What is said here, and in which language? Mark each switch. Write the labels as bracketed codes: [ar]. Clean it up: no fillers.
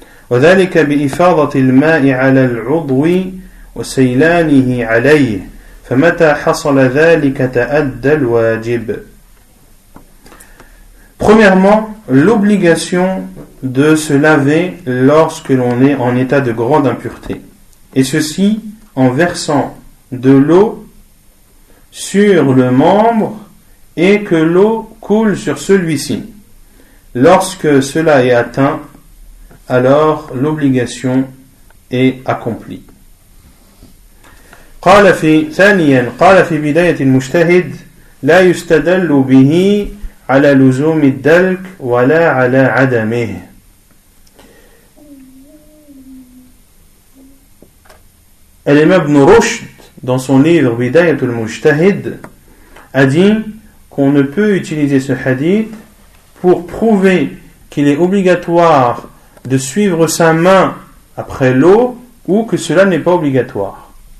[ar] وذلك بإفاضة الماء على العضو وسيلانه عليه فمتى حصل ذلك تأدى الواجب. [fr] Premièrement, l'obligation de se laver lorsque l'on est en état de grande impureté. Et ceci en versant de l'eau sur le membre et que l'eau coule sur celui-ci. Lorsque cela est atteint, alors l'obligation est accomplie. [ar] قال في ثانيا قال في بداية المجتهد لا يستدل به على لزوم الدلك ولا على عدمه. [fr] الإمام ابن رشد dans son livre بداية المجتهد a dit qu'on ne peut utiliser ce hadith pour prouver qu'il est obligatoire de suivre sa main après l'eau, ou que cela n'est pas obligatoire.